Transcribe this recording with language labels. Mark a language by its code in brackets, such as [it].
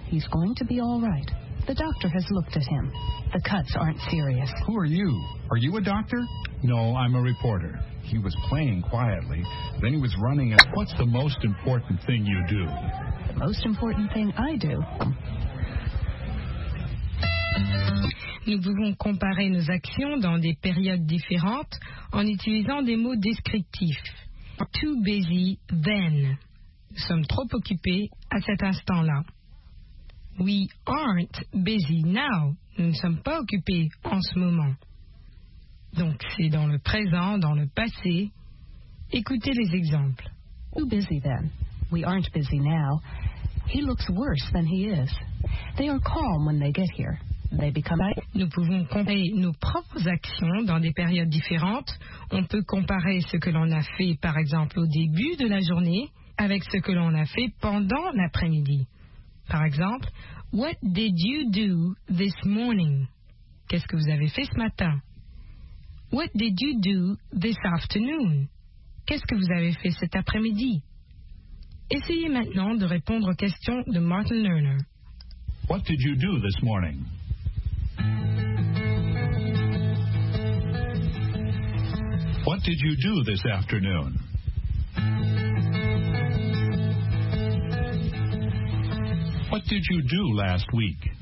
[en] He's going to be all right. The doctor has looked at him. The cuts aren't serious. Who are you? Are you a doctor? No, I'm a reporter. He was playing quietly. Then he was running and... What's the most important thing you do? The most important thing I do? [fr] Nous pouvons comparer nos actions dans des périodes différentes en utilisant des mots descriptifs. [en] Too busy then. [fr] sommes trop occupés à cet instant-là. [en] We aren't busy now. [fr] Nous ne sommes pas occupés en ce moment. Donc, c'est dans le présent, dans le passé. Écoutez les exemples. [en] Too busy then. We aren't busy now. He looks worse than he is. They are calm when they get here. They become... [fr] Nous pouvons comparer nos propres actions dans des périodes différentes. On peut comparer ce que l'on a fait, par exemple, au début de la journée avec ce que l'on a fait pendant l'après-midi. Par exemple, [en] what did you do this morning? [fr] Qu'est-ce que vous avez fait ce matin? [en] What did you do this afternoon? [fr] Qu'est-ce que vous avez fait cet après-midi? Essayez maintenant de répondre aux questions de Martin Lerner. [en] What did you do this morning? What did you do this afternoon? What did you do last week?